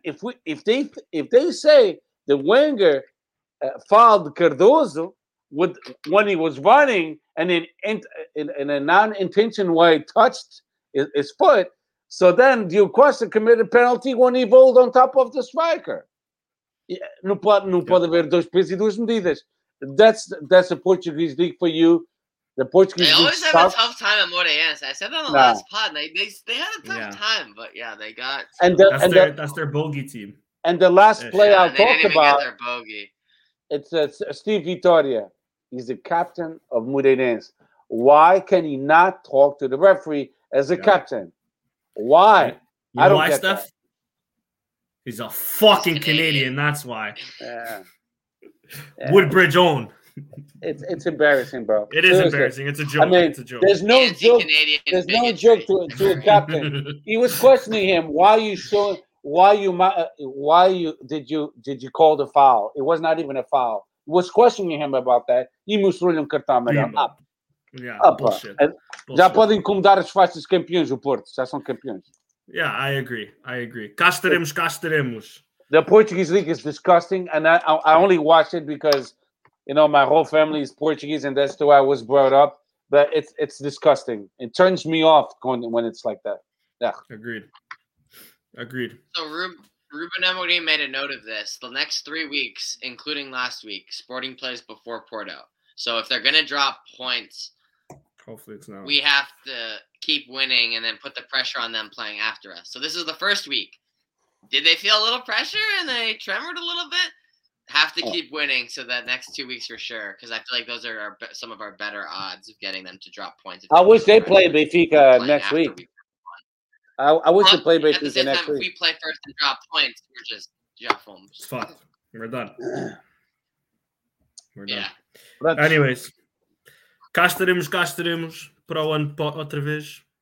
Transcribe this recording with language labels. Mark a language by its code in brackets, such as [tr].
[en] If they say the winger fouled Cardozo when he was running and in a non-intentional way touched his foot, so then Udiel Costa committed a penalty when he rolled on top of the striker. [pt] Não pode haver dois pesos e duas medidas. [en] That's a Portuguese league for you. The Portuguese they always have a tough time at Moreirense. I said that on the last pod. They had a tough time, but yeah, they got. That's their bogey team. And the last player I'll talk about. They didn't even get their bogey. It's Steve Vitória. He's the captain of Moreirense. Why can he not talk to the referee as a captain? Why? You know why, Steph? That. He's a fucking Canadian. That's why. Yeah. Woodbridge own. It's embarrassing, bro. It is embarrassing. It's a joke. I mean, it's a joke. There's no joke. There's no joke to a captain. He was questioning him. Why did you call the foul? It was not even a foul. He was questioning him about that. [pt] E mostrou-lhe cartão amarelo. [en] Bullshit. [pt] Já podem incomodar as faixas campeões, o Porto. Já são campeões. [en] Yeah, I agree. [pt] Cá estaremos. [en] The Portuguese league is disgusting, and I only watch it because, you know, my whole family is Portuguese, and that's the way I was brought up. But it's disgusting. It turns me off when it's like that. Yeah. Agreed. So Ruben Amorim made a note of this. The next 3 weeks, including last week, Sporting plays before Porto. So if they're going to drop points, hopefully it's not. We have to keep winning and then put the pressure on them playing after us. So this is the first week. Did they feel a little pressure and they tremored a little bit? Have to keep winning so that next 2 weeks for sure, because I feel like those are some of our better odds of getting them to drop points. I wish they play Benfica next week. I wish they play Benfica next week. If we play first and drop points, we're just juffing. It's fine. We're done. Anyways, [pt] cá estaremos para o ano outra vez.